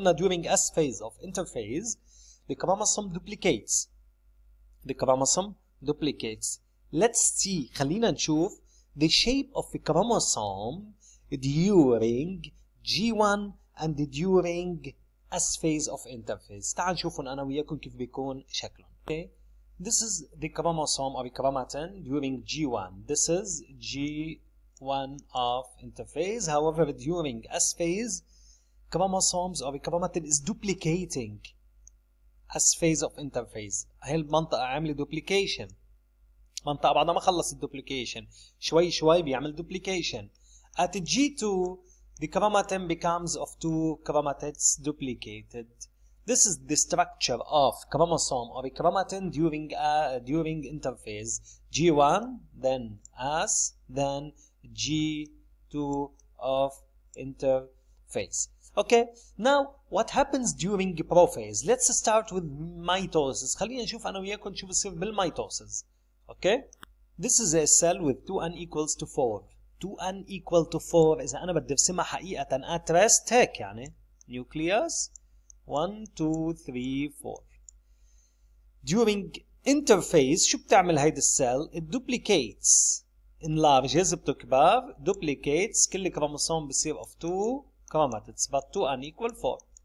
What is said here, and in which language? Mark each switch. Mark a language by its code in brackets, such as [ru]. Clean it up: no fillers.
[en] During S phase of interphase, the chromosome duplicates. Let's see, [ar] خلينا نشوف [en] the shape of the chromosome during G1 and during S phase of interphase. [ar] تعال نشوف انا وياكم كيف بيكون شكلهم. [en] Okay. This is the chromosome or the chromatin during G1. This is G1 of interphase. However, during S phase, chromosomes or the chromatin is duplicating S phase of interphase. [ar] هاي المنطقة عاملة [en] duplication. [ar] منطقة بعدها ما خلص الدوبليكيشن، شوي شوي بيعمل duplication. [en] At G2, the chromatin becomes of two chromatids duplicated. This is the structure of chromosome or chromatin during interphase. G1, then S, then G2 of interphase. Okay, now what happens during prophase? Let's start with mitosis. [ar] خلينا نشوف أنا وياكم شو بصير بالميتوسيس. [en] Okay, this is a cell with 2n equals to 4. 2n equal to 4 is [ar] أنا بدي ارسمها حقيقة [en] at rest [ar] هيك يعني [en] nucleus 1 2 3 4. During interphase [ar] شو بتعمل هيدي السيل؟ [en] It duplicates, enlarges, [ar] بتكبر, [en] duplicates [ar] كل كروموسوم بصير [en] of 2 chromatids but 2n equal 4.